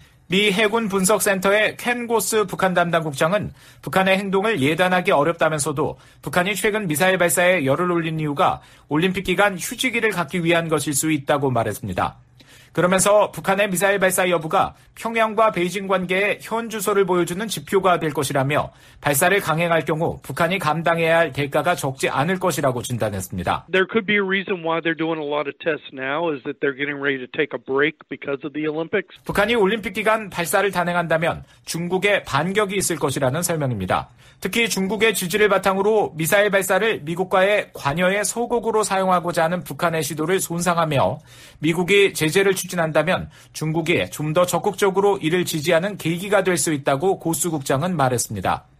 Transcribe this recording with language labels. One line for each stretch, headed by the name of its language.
Korean: 미 해군 분석센터의 켄 고스 북한 담당 국장은 북한의 행동을 예단하기 어렵다면서도 북한이 최근 미사일 발사에 열을 올린 이유가 올림픽 기간 휴지기를 갖기 위한 것일 수 있다고 말했습니다. 그러면서 북한의 미사일 발사 여부가 평양과 베이징 관계의 현 주소를 보여주는 지표가 될 것이라며 발사를 강행할 경우 북한이 감당해야 할 대가가 적지 않을 것이라고 진단했습니다.
English: There could be a reason why they're doing a lot of tests now is that they're getting ready to take a break because of the Olympics.
Korean: 북한이 올림픽 기간 발사를 단행한다면 중국의 반격이 있을 것이라는 설명입니다. 특히 중국의 지지를 바탕으로 미사일 발사를 미국과의 관여의 소극으로 사용하고자 하는 북한의 시도를 손상하며 미국이 제재를 추진한다면 중국이 좀 더 적극적으로 이를 지지하는 계기가 될 수 있다고 고수 국장은 말했습니다.